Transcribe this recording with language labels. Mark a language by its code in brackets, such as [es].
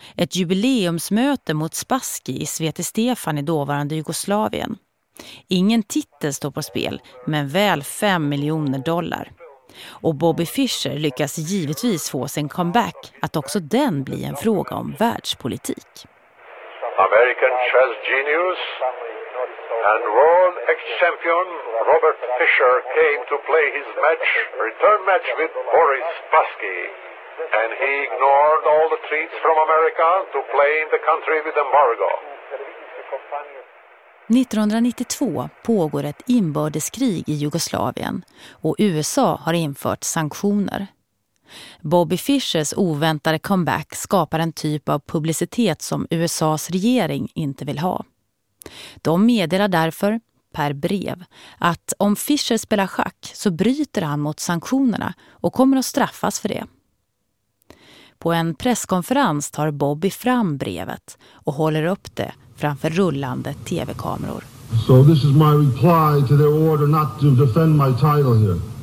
[sv] Ett jubileumsmöte mot Spassky i Sveti Stefan i dåvarande Jugoslavien. Ingen titel står på spel, men väl 5 miljoner dollar. Och Bobby Fischer lyckas givetvis få sin comeback, att också den blir en fråga om världspolitik. [en] American chess genius and world ex-champion Robert Fischer came to play his match, return match with Boris Spassky. And he ignored all the treats from America to play in the country with embargo. [sv] 1992 pågår ett inbördeskrig i Jugoslavien och USA har infört sanktioner. Bobby Fischers oväntade comeback skapar en typ av publicitet som USAs regering inte vill ha. De meddelar därför, per brev, att om Fischer spelar schack så bryter han mot sanktionerna och kommer att straffas för det. På en presskonferens tar Bobby fram brevet och håller upp det framför rullande tv-kameror. [en] So this is my reply to their order not to defend my title here.